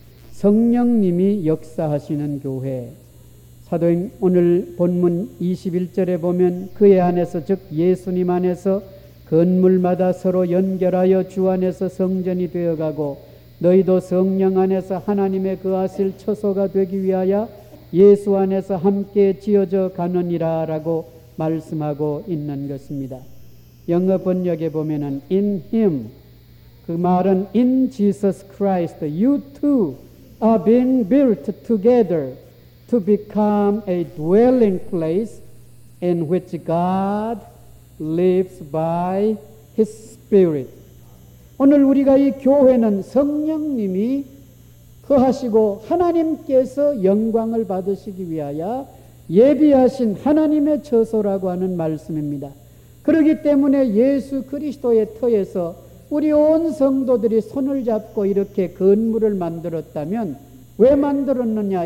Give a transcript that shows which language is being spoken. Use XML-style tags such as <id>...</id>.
<ko>성령님이 역사하시는 교회. 오늘 본문 21절에 보면 그의 안에서 즉 예수님 안에서 건물마다 서로 연결하여 주 안에서 성전이 되어가고 너희도 성령 안에서 하나님의 거하실 처소가 되기 위하여 예수 안에서 함께 지어져 가느니라 라고 말씀하고 있는 것입니다. 영어 번역에 보면은</ko> <en>in him</en> <ko>그 말은</ko> <en>in Jesus Christ you two are being built together to become a dwelling place in which God lives by his spirit.</en> <ko>오늘 우리가 이 교회는 성령님이 거하시고 하나님께서 영광을 받으시기 위하여 예비하신 하나님의 처소라고 하는 말씀입니다. 그렇기 때문에 예수 그리스도의 터에서 우리 온 성도들이 손을 잡고 이렇게 건물을 만들었다면 왜 만들었느냐?</ko>